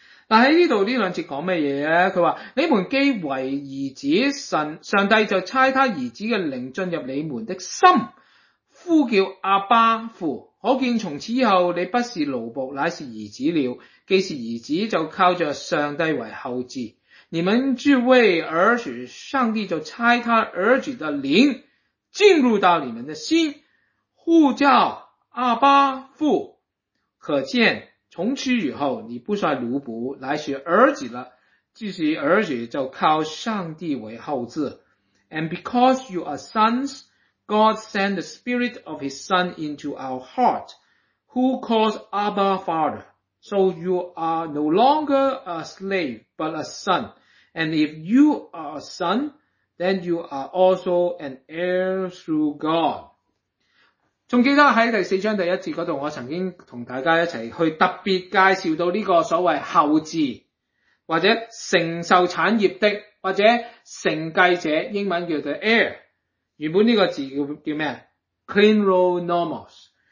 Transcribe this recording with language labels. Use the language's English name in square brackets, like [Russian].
[Chinese] 但在这里这两节讲什么呢？他说你们既为儿子，神上帝就差他儿子的灵进入你们的心，呼叫阿爸父，可见从此以后你不是奴仆乃是儿子了，既是儿子就靠着上帝为后嗣，你们这位儿子上帝就差他儿子的灵进入到你们的心，呼叫阿爸父，可见从此以后你不算奴仆乃是儿子了，既是儿子就靠上帝为后嗣。 [English] And because you are sons,God sent the spirit of his son into our heart, who calls Abba Father. So you are no longer a slave, but a son. And if you are a son, then you are also an heir through God. [Chinese] 还记得在第四章第一节那里，我曾经跟大家一起去特别介绍到这个所谓后嗣，或者承受产业的，或者承继者，英文叫做 heir。原本这个字叫什么 ?Clinronomos。